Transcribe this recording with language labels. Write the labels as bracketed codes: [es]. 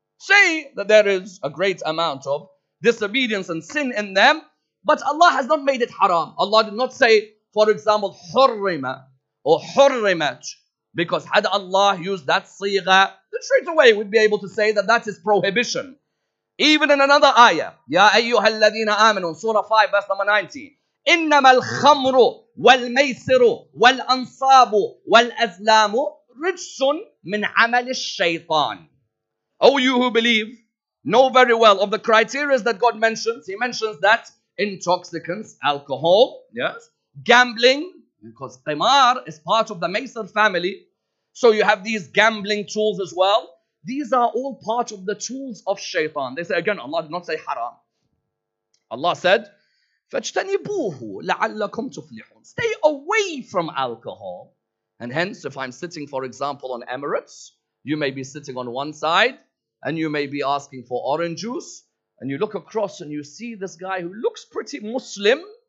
[en] Say that there is a great amount of disobedience and sin in them, but Allah has not made it haram. Allah did not say, for example, حُرِّمَ or حُرِّمَتْ, because had Allah used that sigha, straight away we'd be able to say that that is prohibition. Even in another ayah, Ya أَيُّهَا الَّذِينَ آمَنُوا, Surah 5, verse number 90, [ar] إِنَّمَا الْخَمْرُ وَالْمَيْسِرُ وَالْأَنصَابُ وَالْأَزْلَامُ رِجْسٌ مِنْ عَمَلِ الشَّيْطَانِ. [en] O you who believe, know very well of the criteria that God mentions. He mentions that intoxicants, alcohol, yes, gambling, Because qimar is part of the maisar family. So you have these gambling tools as well. These are all part of the tools of shaitan. They say again, Allah did not say haram. Allah said, [ar] فَاجْتَنِبُوهُ لَعَلَّكُمْ تُفْلِحُونَ. [en] Stay away from alcohol. And hence, if I'm sitting, for example, on Emirates, you may be sitting on one side, and you may be asking for orange juice, and you look across and you see this guy who looks pretty Muslim.